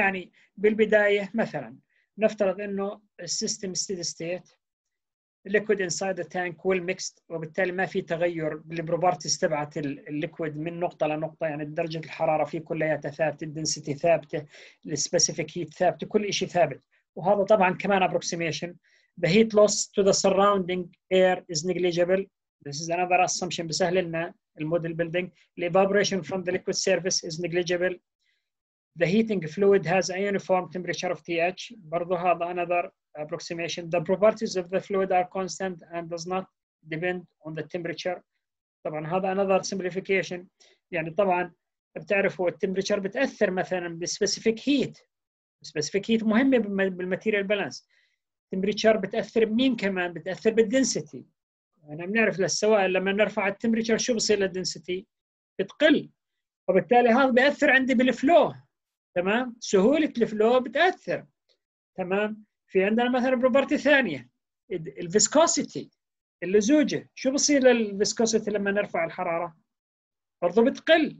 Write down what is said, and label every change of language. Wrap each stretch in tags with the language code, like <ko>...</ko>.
<ar>يعني بالبداية مثلا نفترض إنه السيستم ستيدي ستيت الليكويد انسايد التانك والميكست، وبالتالي ما في تغير بالبروبرتيز تبعت الليكويد من نقطه لنقطه، يعني درجه الحراره فيه كلياتها ثابته، الدنسيتي ثابته، السبيسيفيك هيت ثابته، كل شيء ثابت. وهذا طبعا كمان ابروكسيميشن.</ar> <en>The heat loss to the surrounding air is negligible. This is another assumption</en> <ar>بسهل لنا الموديل بيلدينج.</ar> <en>The evaporation from the liquid surface is negligible. The heating fluid has a uniform temperature of TH.</en> <ar>برضو هذا</ar> <en>another approximation. The properties of the fluid are constant and does not depend on the temperature.</en> <ar>طبعا هذا</ar> <en>another simplification.</en> <ar>يعني طبعا بتعرفوا temperature بتأثر مثلا بالspecific heat. Specific heat مهمة بالmaterial balance. Temperature بتأثر بمين كمان؟ بتأثر بالdensity. يعني بنعرف للسوائل لما نرفع temperature شو بصير للdensity؟ بتقل. وبالتالي هذا بيأثر عندي بالflow. تمام، سهولة الفلو بتأثر. تمام، في عندنا مثلا بروبرتي ثانية الفيسكوسيتي اللزوجة، شو بصير للفيسكوسيتي لما نرفع الحرارة؟ برضو بتقل.</ar>